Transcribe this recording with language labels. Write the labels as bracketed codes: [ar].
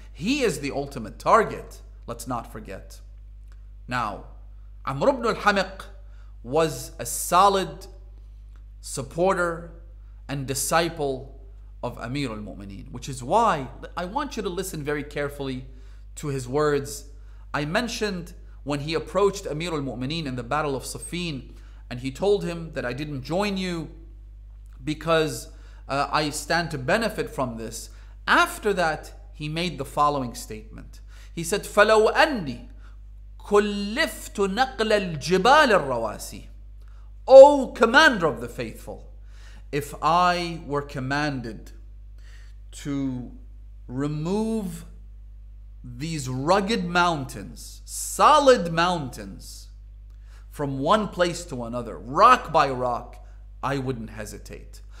[en] He is the ultimate target, let's not forget. Now, Amr ibn al-Hameq was a solid supporter and disciple of Amir al-Mu'mineen, which is why I want you to listen very carefully to his words. I mentioned when he approached Amir al-Mu'mineen in the Battle of Safin, and he told him that I didn't join you because I stand to benefit from this. After that, he made the following statement. He said, [ar] فَلَوْ أَنِّي كُلِّفْتُ نَقْلَ الْجِبَالِ الرَّوَاسِي. [en] O Commander of the Faithful, if I were commanded to remove these rugged mountains, solid mountains, from one place to another, rock by rock, I wouldn't hesitate.